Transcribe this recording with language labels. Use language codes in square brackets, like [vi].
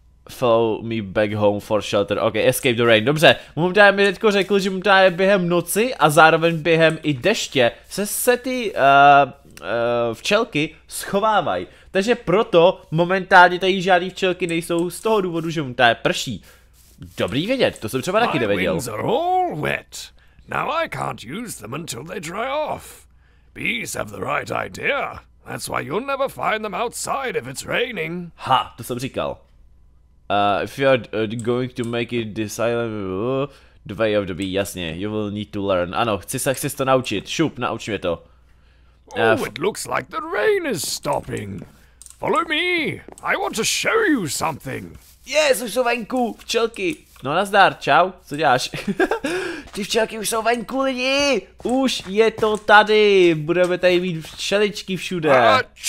[en] Follow me back home for shelter. OK, escape the rain. [cs] Dobře, Mumta mi teďko řekl, že Mumta je během noci a zároveň během i deště se ty včelky schovávají. Takže proto momentálně tady žádný včelky nejsou z toho důvodu, že Mumta je prší. Dobrý vědět, to jsem třeba taky nevěděl. [en] My wings are all wet. Now I can't use them until they dry off. Bees have the right idea. That's why you'll never find them outside if it's raining. [cs] Ha, to jsem říkal. [en] If you're going to make it this island, [cs] Dvě období, jasně. [en] You will need to learn. [cs] Ano, chci to naučit. Šup, nauč mě to. [en] Oh, it looks like the rain is stopping. Follow me. I want to show you something. [cs] Yes, už jsou venku, včelky. No nazdar, čau, co děláš? Ty včelky už jsou venku, lidi. Už je to tady. Budeme tady mít včeličky všude.